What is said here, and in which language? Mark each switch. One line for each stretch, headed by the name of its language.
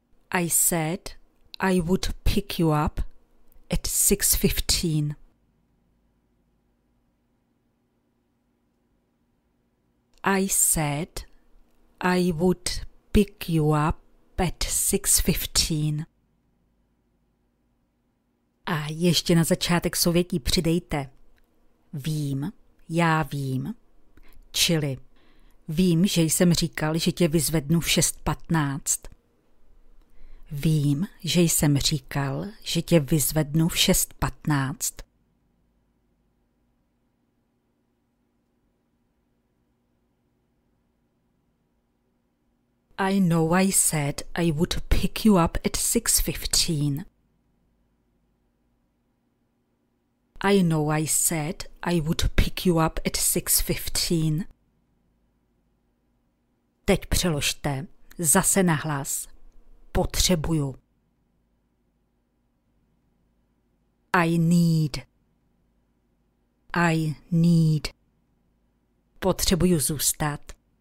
English: I said I would pick you up at 6:15. I said I would pick you up at 6:15.
Czech: A ještě na začátek souvětí přidejte. Vím, já vím. Čili vím, že jsem říkal, že tě vyzvednu v 6:15. Vím, že jsem říkal, že tě vyzvednu v 6:15.
English: I know I said I would pick you up at 6:15. I know I said I would pick you up at 6:15.
Czech: Teď přeložte zase nahlas. Potřebuju.
English: I need. I need.
Czech: Potřebuju zůstat.